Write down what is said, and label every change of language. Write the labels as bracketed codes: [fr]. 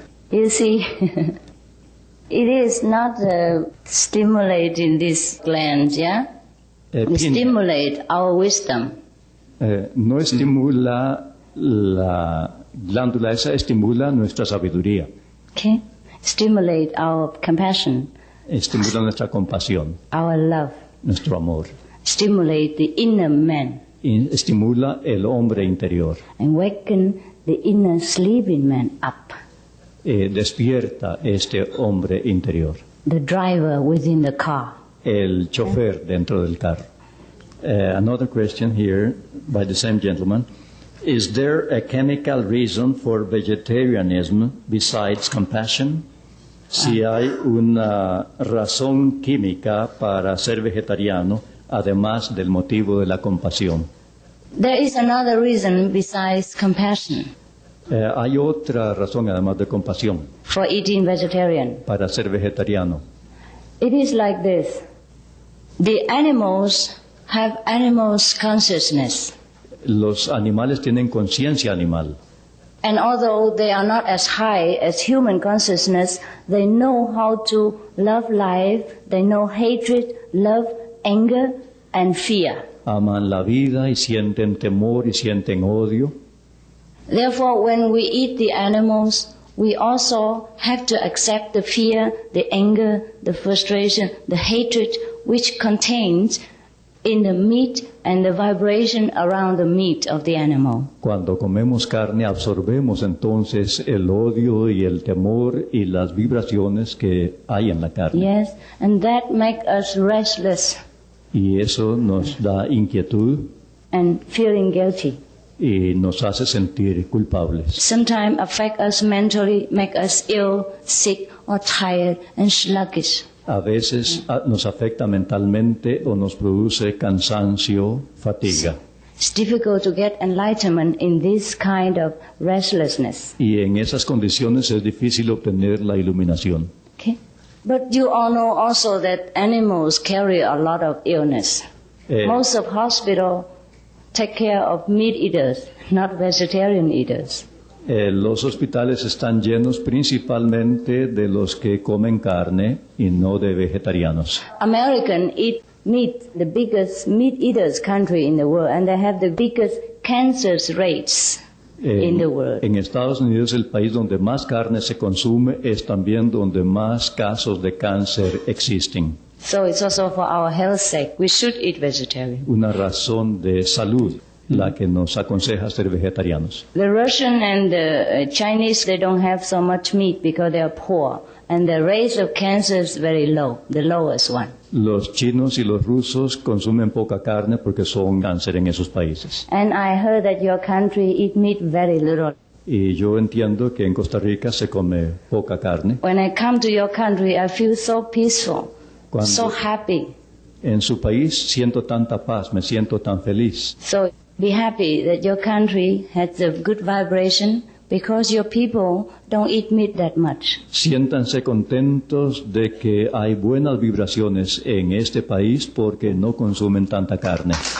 [en] You see, it is not stimulating this gland, yeah? Stimulate our wisdom. [es] No estimula la glándula esa, estimula nuestra sabiduría. [en] Okay, stimulate our compassion. [es] Estimula nuestra compasión. [en] Our love. [es] Nuestro amor. [en] Stimulate the inner man. [es] Estimula el hombre interior. [en] And waken the inner sleeping man up. [es] Despierta este hombre interior. [en] The driver within the car. [es] El chofer dentro del carro. [en] Another question here by the same gentleman. Is there a chemical reason for vegetarianism besides compassion? [es] Si hay una razón química para ser vegetariano, además del motivo de la compasión. [en] There is another reason besides compassion. [es] Hay otra razón además de compasión. [en] For eating vegetarian. [es] Para ser vegetariano. [en] It is like this. The animals have animals consciousness. [es] Los animales tienen conciencia animal. [en] And although they are not as high as human consciousness, they know how to love life. They know hatred, love, anger, and fear. [es] Aman la vida y sienten temor y sienten odio. [en] Therefore, when we eat the animals, we also have to accept the fear, the anger, the frustration, the hatred which contains in the meat and the vibration around the meat of the animal. [es] Cuando comemos carne, absorbemos entonces el odio y el temor y las vibraciones que hay en la carne. [en] Yes, and that makes us restless. [es] Y eso nos da inquietud. [en] And feeling guilty. [es] Y nos hace sentir culpables. [en] Sometimes affect us mentally, make us ill, sick, or tired and sluggish. [es] A veces nos afecta mentalmente o nos produce cansancio, fatiga. [en] It's difficult to get enlightenment in this kind of restlessness. [es] Y en esas condiciones es difícil obtener la iluminación. [en] Okay. But you all know also that animals carry a lot of illness. Most of hospitals take care of meat eaters, not vegetarian eaters. [es] Los hospitales están llenos principalmente de los que comen carne y no de vegetarianos. [en] American eat meat, the biggest meat eaters country in the world, and they have the biggest cancer rates in the world. [es] En Estados Unidos, el país donde más carne se consume es también donde más casos de cáncer existen. [en] So it's also for our health sake. We should eat vegetarian. [es] Una razón de salud la que nos aconseja ser vegetarianos. [en] The Russian and the Chinese, they don't have so much meat because they are poor. And the rate of cancer is very low, the lowest one. [es] Los chinos y los rusos consumen poca carne porque son cáncer en esos países. [en] And I heard that your country eat meat very little. [es] Y yo entiendo que en Costa Rica se come poca carne. [en] When I come to your country, I feel so peaceful. [es] Cuando [en] so happy. [es] En su país siento tanta paz, me siento tan feliz. [en] So be happy that your country has a good vibration because your people don't eat meat that much. [es] Siéntanse contentos de que hay buenas vibraciones en este país porque no consumen tanta carne.